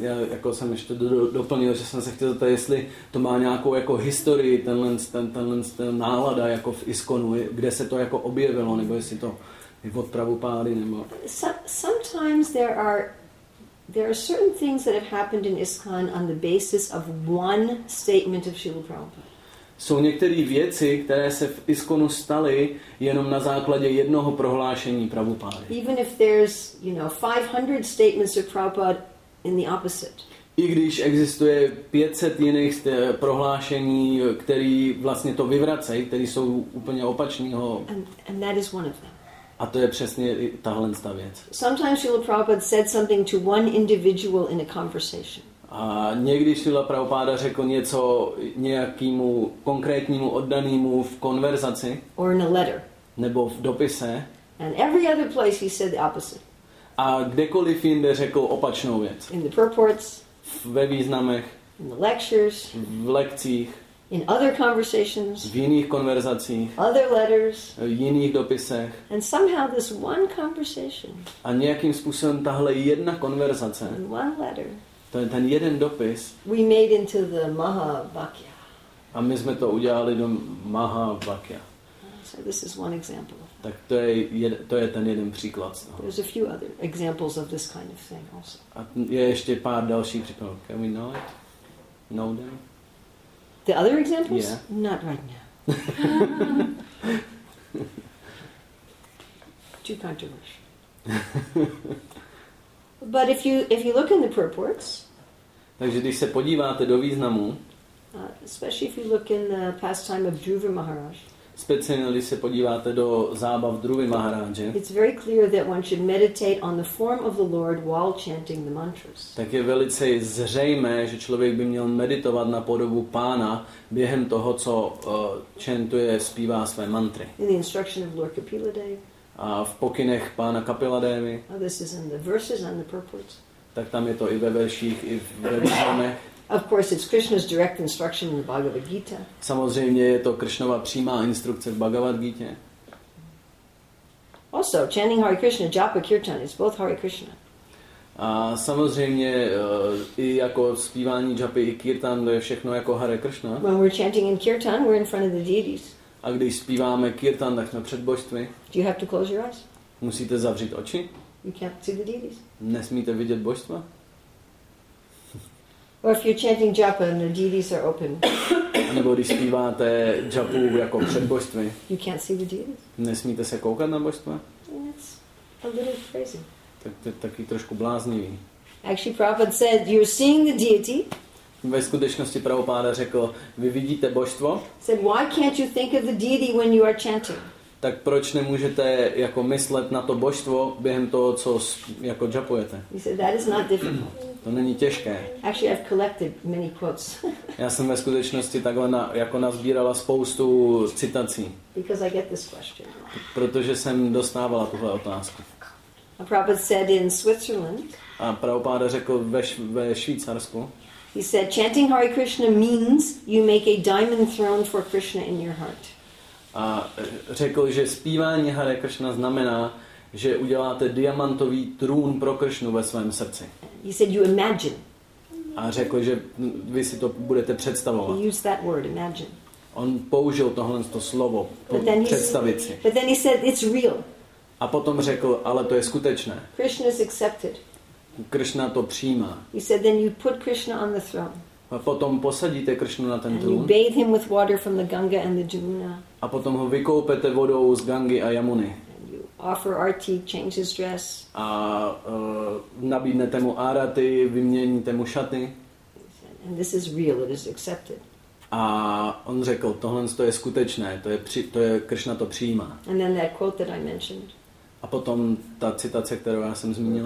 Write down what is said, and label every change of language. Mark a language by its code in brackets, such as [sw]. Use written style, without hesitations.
[cs] já jsem ještě doplnil, že jsem se chtěl zeptat, jestli to má nějakou jako historii, tenhle ten nálada jako v ISKCONu, kde se to jako objevilo, nebo jestli to je od Prabhupády, nebo... [en] Sometimes there are certain things that have happened in ISKCON on the basis of one statement of Srila Prabhupada. [cs] Jsou některé věci, které se v ISKCONu staly jenom na základě jednoho prohlášení Prabhupády. [en] Even if there's, you know, 500 statements of Prabhupada in the opposite. [cs] I když existuje 500 jiných prohlášení, které vlastně to vyvracejí, které jsou úplně opačného. [en] And that is one of them. [cs] A to je přesně tahle ta věc. [en] Sometimes Srila Prabhupada said something to one individual in a conversation. [cs] A někdy Srila Prabhupáda řekl něco nějakému konkrétnímu oddanému v konverzaci. [en] Or in a letter. [cs] Nebo v dopise. [en] And every other place he said the opposite. [cs] A kdekoliv jinde řekl opačnou věc. [en] In the purports. [cs] Ve významech. [en] In the lectures. [cs] V lekcích. [en] In other conversations. [cs] V jiných konverzacích. [en] Other letters. [cs] V jiných dopisech. [en] And somehow this one conversation. [cs] A nějakým způsobem tahle jedna konverzace. [en] In one letter. [cs] Ten jeden dopis. [en] We made into the Mahavakya. [cs] A my jsme to udělali do Mahavakya. [en] So this is one example. [cs] Tak to je ten jeden příklad. [en] There's a few other examples of this kind of thing also. [cs] A je ještě pár dalších příkladů. [en] Can we know it? Know them? The other examples? Yeah. Not right now. Too controversial. But if you look in the purports. [cs] Takže když se podíváte do významu. [en] Especially if you look in the pastime of Dhruva Maharaj. [cs] Speciálně když se podíváte do zábav Dhruvy Maharaje. [en] It's very clear that one should meditate on the form of the Lord while chanting the mantras. [cs] Tak je velice zřejmé, že člověk by měl meditovat na podobu Pána během toho, co chantuje, zpívá své mantry. [en] In the instruction of Lord Kapiladeva. [cs] A v pokynech pána Kapiladevy. [en] Oh, this is in the verses and the purports. [cs] Tak tam je to i ve verších, i ve významech. [en] Of course, it's Krishna's direct instruction in the Bhagavad Gita. [cs] Samozřejmě je to Krishnova přímá instrukce v Bhagavad Gita. [en] Also, chanting Hare Krishna, Japa Kirtan, it's both Hare Krishna. [cs] A samozřejmě i jako zpívání Japy i Kirtan, to je všechno jako Hare Krishna. [en] When we're chanting in Kirtan, we're in front of the deities. [cs] A když zpíváme kirtan, tak jsme před božstvy. [en] Do you have to close your eyes? [cs] Musíte zavřít oči? [en] You can't see the deities. [cs] Nesmíte vidět božstva? [en] Or if you're chanting japa and the deities are open. [cs] A nebo když zpíváte japu jako před božstvy. [en] You can't see the deities. [cs] Nesmíte se koukat na božstva? [en] That's a little crazy. [cs] Tak to je taky trošku bláznivý. [en] Actually, Prabhupada said, you're seeing the deity. [cs] Ve skutečnosti Prabhupáda řekl, vy vidíte božstvo? [en] Said, why can't you think of the deity when you are chanting? [cs] Tak proč nemůžete jako myslet na to božstvo během toho, co jako japujete? [en] He said, that is not difficult. [cs] To není těžké. [en] Actually, I've collected many quotes. [cs] Já jsem ve skutečnosti takhle jako nazbírala spoustu citací. [en] Because I get this question. [cs] Protože jsem dostávala tuhle otázku. [en] A Prabhupáda said in Switzerland. [cs] A Prabhupáda řekl ve Švýcarsku. [en] He said, chanting Hare Krishna means you make a diamond throne for Krishna in your heart. [cs] A řekl, že zpívání Hare Krishna znamená, že uděláte diamantový trůn pro Krishnu ve svém srdci. [en] He said, you imagine. [cs] A řekl, že vy si to budete představovat. [en] He used that word, imagine. [cs] On použil tohle slovo, představit si. [en] But then he said, it's real. [cs] A potom řekl, ale to je skutečné. [en] Krishna is accepted. [cs] Krishna to přijímá. [en] He said, then you put Krishna on the throne. [cs] A potom posadíte Krishnu na ten [en] and [cs] trůn. [en] You bathe him with water from the Ganga and the Jamuna. [cs] A potom ho vykoupete vodou z Gangy a Jamuny. [en] And you offer arati, change his dress. [cs] A nabídnete mu arati, vyměníte mu šaty. [en] Said, and this is real, it is accepted. [cs] A on řekl, tohle to je skutečné, to je Krishna to přijímá. [en] And then that quote that I mentioned. [cs] A potom ta citace, kterou já jsem zmínil.